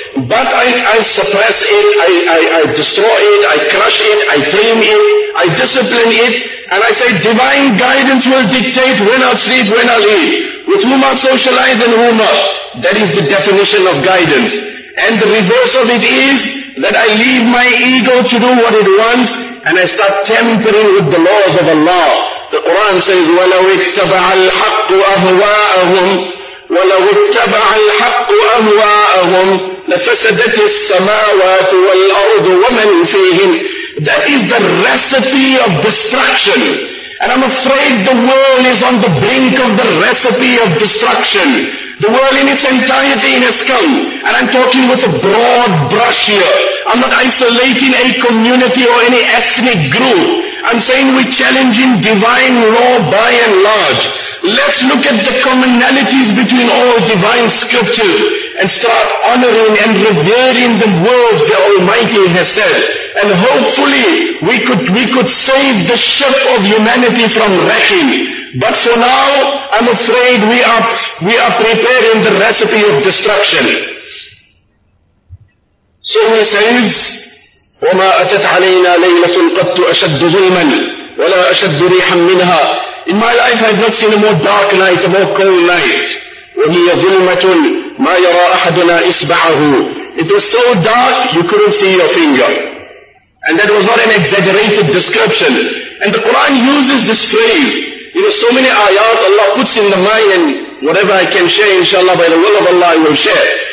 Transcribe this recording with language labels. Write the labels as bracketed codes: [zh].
[en] But I suppress it, I destroy it, I crush it, I tame it, I discipline it, and I say divine guidance will dictate when I'll sleep, when I'll eat, with whom I socialize and whom not. That is the definition of guidance. And the reverse of it is that I leave my ego to do what it wants and I start tampering with the laws of Allah. The Quran says, [ar] وَلَوِ اتَّبَعَ الْحَقُّ أَهْوَاءَهُمْ وَلَوِ اتَّبَعَ الْحَقُّ أَهْوَاءَهُمْ لَفَسَدَتِ السَّمَاوَاتُ وَالْأَرْضُ وَمَنْ فِيهِمْ. [en] That is the recipe of destruction. And I'm afraid the world is on the brink of the recipe of destruction. The world in its entirety has come. And I'm talking with a broad brush here. I'm not isolating a community or any ethnic group. I'm saying we're challenging divine law by and large. Let's look at the commonalities between all divine scriptures and start honoring and revering the words the Almighty has said. And hopefully we could save the ship of humanity from wrecking. But for now, I'm afraid we are preparing the recipe of destruction. So he says, [ar] وَمَا أَتَتْ عَلَيْنَا لَيْلَةٌ قَدْتُ أَشَدُّ ظُلْمًا وَلَا أَشَدُّ رِيحًا مِّنْهَا. [en] In my life I have not seen a more dark night, a more cold night. [ar] وَهِيَ ظُلْمَةٌ مَا يَرَى أَحَدُنَا إِصْبَعَهُ. [en] It was so dark, you couldn't see your finger. And that was not an exaggerated description. And the Quran uses this phrase. You know, so many ayat Allah puts in the mind, and whatever I can share, inshallah, by the will of Allah, I will share.